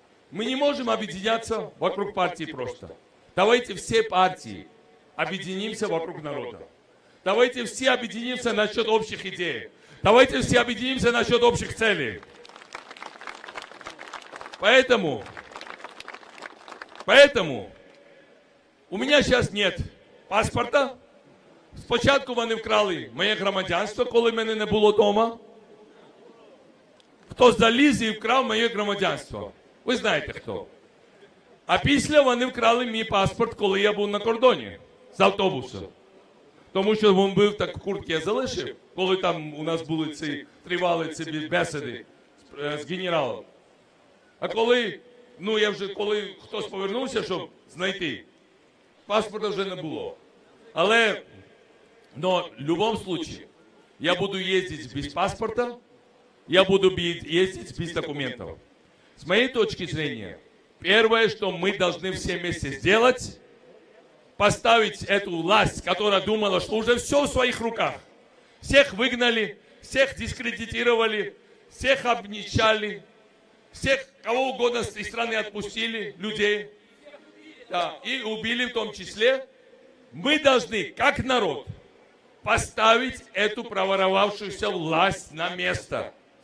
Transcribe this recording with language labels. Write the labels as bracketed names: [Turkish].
[Russian] Мы не можем объединяться вокруг партии просто. Давайте все партии объединимся вокруг народа. Давайте все объединимся насчет общих идей. Давайте все объединимся насчет общих целей. Поэтому у меня сейчас нет паспорта. [Ukrainian] Спочатку вони вкрали моє громадянство, коли мене не було вдома. Хто заліз і вкрав моє громадянство? Ви знаєте, хто. А після вони вкрали мій паспорт, коли я був на кордоні з автобусом. Тому що він був так в куртці, я залишив, коли там у нас були ці тривали ці бесіди з генералом. А коли, коли хтось повернувся, щоб знайти, паспорта вже не було. Але, в будь-якому випадку, я буду їздити без паспорта, я буду їздити без документів. З моєї точки зрення, перше, що ми повинні всі вместе зробити, [Russian] поставить эту власть, которая думала, что уже все в своих руках. Всех выгнали, всех дискредитировали, всех обнищали, всех, кого угодно из страны отпустили, людей. Да, и убили в том числе. Мы должны, как народ, поставить эту проворовавшуюся власть на место.